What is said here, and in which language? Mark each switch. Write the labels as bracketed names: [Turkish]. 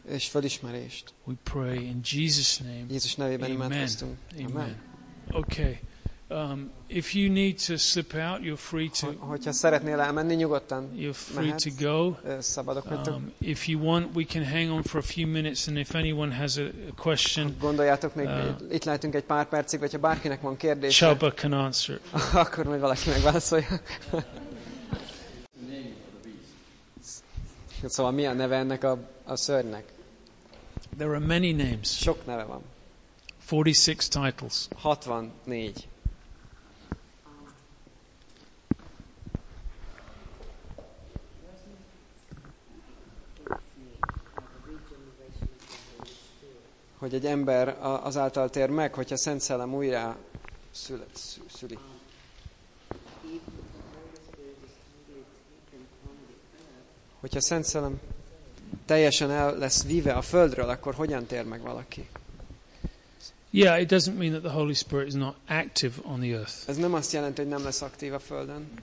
[Hungarian] és felismerést. [English] We pray in Jesus' name. [Hungarian] Jézus nevében imádkoztunk. [English] Amen. Okay. If you need to slip out, you're free to. [Hungarian] Hogyha szeretnél elmenni, nyugodtan. [English] You're free to go. [Hungarian] Szabadok vagytok. [English] If you want, we can hang on for a few minutes, and if anyone has a question, [Hungarian] gondoljátok még, itt lehetünk egy pár percig, vagy ha bárkinek van kérdése, [English] Chuba can answer. [Hungarian] Akkor majd valaki megválaszolja. Szóval mi a neve ennek a szörnynek? [English] There are many names. [Hungarian] Sok neve van. [English] 46 titles. 64. [Hungarian] Hogy egy ember azáltal tér meg, hogyha Szent Szellem újra szüli. Hogyha Szent Szellem teljesen el lesz víve a földről, akkor hogyan tér meg valaki? [English] Yeah, it doesn't mean that the Holy Spirit is not active on the earth. [Hungarian] Ez nem azt jelenti, hogy nem lesz aktív a földön.